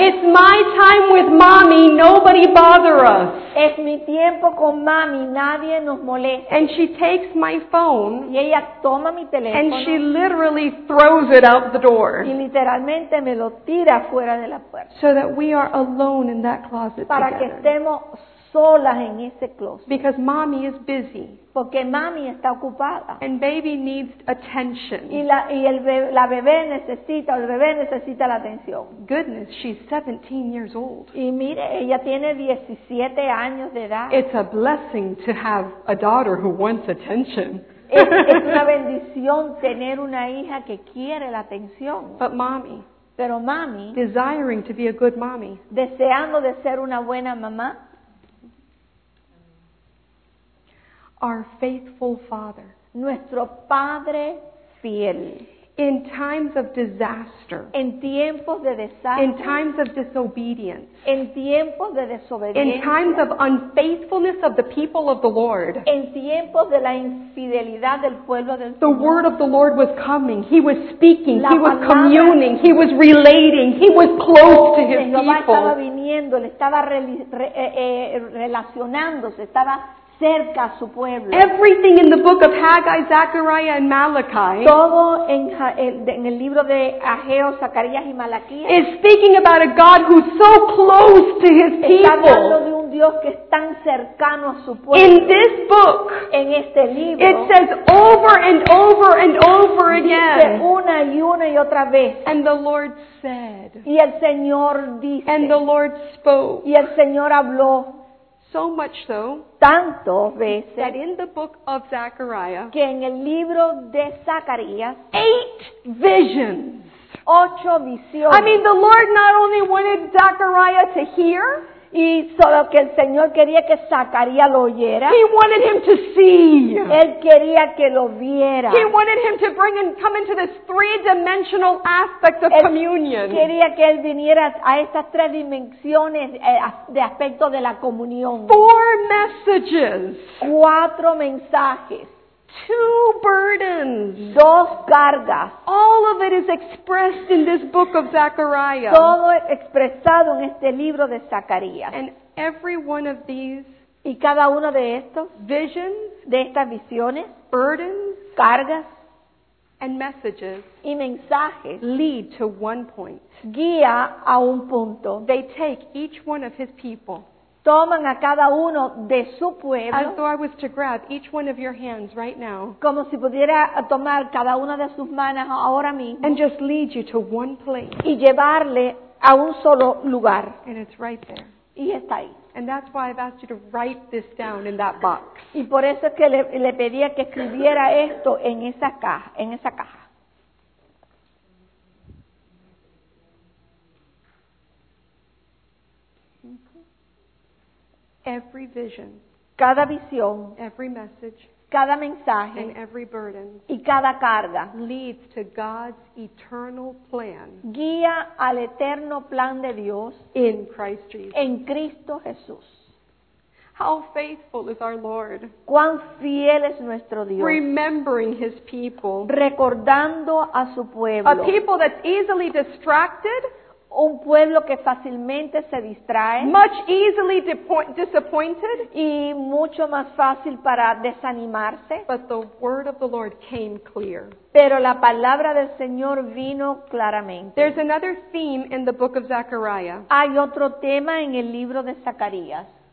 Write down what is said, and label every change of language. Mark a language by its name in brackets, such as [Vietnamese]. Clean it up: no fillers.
[English] it's my time with mommy, nobody bother us. [Spanish] Es mi tiempo con mami, nadie nos molesta. [English] And she takes my phone. [Spanish] Y ella toma mi teléfono. [English] And she literally throws it out the door. [Spanish] Y literalmente me lo tira fuera de la puerta. [English] So that we are alone in that closet. [Spanish] Para [English] together. [Spanish] Que estemos solas en ese closet. [English] Because mommy is busy. [Spanish] Porque mami está ocupada. [English] And baby needs attention. [Spanish] Y el bebé necesita la atención. [English] Goodness, she's 17 years old. [Spanish] Y mire, ella tiene 17 años de edad. [English] It's a blessing to have a daughter who wants attention. [Spanish] Es una bendición tener una hija que quiere la atención. [English] But mommy, [Spanish] pero mami, [English] desiring to be a good mommy, [Spanish] deseando de ser una buena mamá. [English] Our faithful Father. [Spanish] Nuestro Padre fiel. [English] In times of disaster. [Spanish] En tiempos de desastre. [English] In times of disobedience. [Spanish] En tiempos de desobediencia. [English] In times of unfaithfulness of the people of the Lord. [Spanish] En tiempos de la infidelidad del pueblo del Señor. [English] The word of the Lord was coming. He was speaking. He was communing. He was relating. He was close to his people. [Spanish] Jehová estaba viniendo, le estaba relacionándose, estaba cerca a su pueblo. [English] Everything in the book of Haggai, Zechariah, and Malachi. [Spanish] Todo en el libro de Ageo, Zacarías y Malaquías. [English] Is speaking about a God who's so close to His people. [Spanish] Está hablando de un Dios que es tan cercano a su pueblo. [English] In this book. [Spanish] En este libro. [English] It says over and over and over again. [Spanish] Dice una y otra vez. [English] And the Lord said. [Spanish] Y el Señor dice. [English] And the Lord spoke. [Spanish] Y el Señor habló. [English] So much so, [Spanish] tanto veces, [English] that in the book of Zechariah, [Spanish] que en el libro de Zacarías, [English] 8 visions, [Spanish] 8 visiones. [English] I mean, the Lord not only wanted Zechariah to hear, [Spanish] y solo que el Señor quería que Zacarías lo oyera. [English] He wanted him to see. [Spanish] Él quería que lo viera. [English] He wanted him to bring and come into this three-dimensional aspect of communion. [Spanish] Él quería que él viniera a estas tres dimensiones de aspecto de la comunión. [English] 4 messages. [Spanish] 4 mensajes. [English] 2 burdens. [Spanish] 2 cargas. [English] All of it is expressed in this book of Zechariah. [Spanish] Todo expresado en este libro de Zacarías. [English] And every one of these. [Spanish] Y cada uno de estos. [English] Visions. [Spanish] De estas visiones. [English] Burdens. [Spanish] Cargas. [English] And messages. [Spanish] Y mensajes. [English] Lead to one point. [Spanish] Guía a un punto. [English] They take each one of his people. [Spanish] Toman a cada uno de su pueblo. [English] As though I was to grab each one of your hands right now. [Spanish] Como si pudiera tomar cada una de sus manos ahora mismo. [English] And just lead you to one place. [Spanish] Y llevarle a un solo lugar. [English] And it's right there. [Spanish] Y está ahí. [English] And that's why I've asked you to write this down in that box. [Spanish] Y por eso es que le pedía que escribiera esto en esa caja, en esa caja. [English] Every vision, [Spanish] cada visión, [English] every message, [Spanish] cada mensaje, [English] and every burden, [Spanish] y cada carga, [English] leads to God's eternal plan, [Spanish] guía al eterno plan de Dios, [English] in Christ Jesus, [Spanish] en Cristo Jesús. [English] How faithful is our Lord, [Spanish] cuán fiel es nuestro Dios, [English] remembering His people, [Spanish] recordando a su pueblo, [English] a people that's easily distracted, [Spanish] un pueblo que fácilmente se distrae, [English] much easily disappointed, [Spanish] y mucho más fácil para desanimarse, [English] but the word of the Lord came clear. [Spanish] Pero la palabra del Señor vino claramente. [English] There's another theme in the book of Zechariah. [Spanish] Hay otro tema en el libro de Zacarías.